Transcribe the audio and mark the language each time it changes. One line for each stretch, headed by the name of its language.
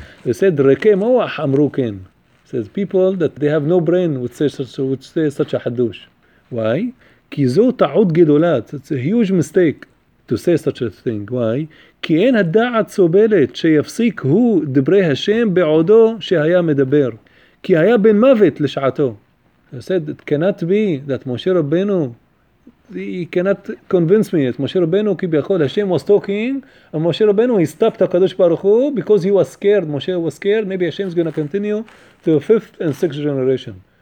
English: He said,
Hebrew: "Reke moach amrukin."
English: He says, people that they have no brain would say such a hadush. Why?
Hebrew: "Ki zo ta'ud gedolat."
English: It's a huge mistake. to say such a thing. Why?
Hebrew: כי אין הדעת סובלת שיפסיק הוא דברי השם בעודו שהיה מדבר. כי היה בן מוות לשעתו.
English: I said, it cannot be that Moshe Rabbeinu, he cannot convince me that Moshe Rabbeinu, כביכול, Hashem was talking, and Moshe Rabbeinu, he stopped HaKadosh Baruch Hu because he was scared. Moshe was scared, maybe Hashem is going to continue to the fifth and sixth generation.